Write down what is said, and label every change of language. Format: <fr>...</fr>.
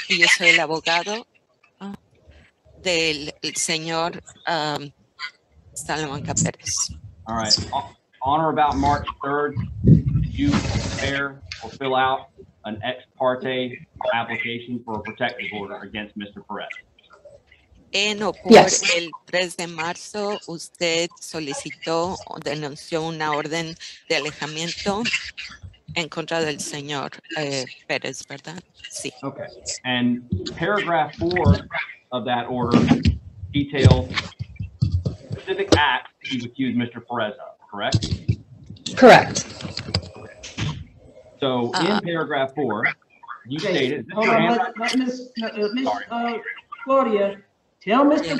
<es>Y yo soy el abogado del señor Salamanca Perez.</es> <en>All right. On or about March 3rd, you prepare or fill out an ex parte application for a protective order against Mr. Perez. Yes.</en> <es>El 3 de marzo, usted solicitó o denunció una orden de alejamiento en contra del señor Perez, ¿verdad? Sí.</es> <en>Okay. And paragraph 4 of that order details specific acts he's accused Mr. Perez of, correct? Correct. So in paragraph 4, you stated. Hold on, Claudia, tell Mr.</en>